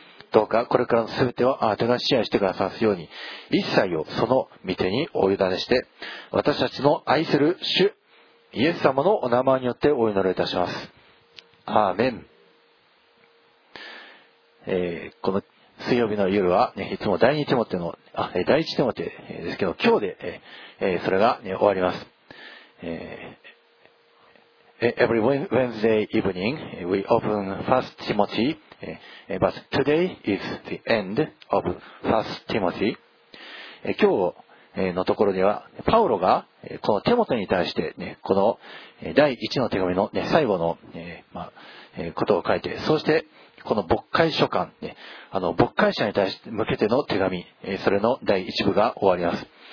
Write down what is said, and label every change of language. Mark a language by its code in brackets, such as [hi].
[ja] どうかこれからの全てをあなたが支配してくださるように、一切をその御手にお委ねして、私たちの愛する主、イエス様のお名前によってお祈りいたします。アーメン。この水曜日の夜は、ね、いつも第二手持ての、第一手持てですけど、今日で、それが、ね、終わります。 [en] Every Wednesday evening, we open 1 Timothy, but today is the end of 1 Timothy. [ja] 今日のところでは、パウロがこのテモテに対して、ね、この第一の手紙の、ね、最後の、まあ、ことを書いて、そしてこの牧会書簡、ね、あの牧会者に対して向けての手紙、それの第一部が終わります。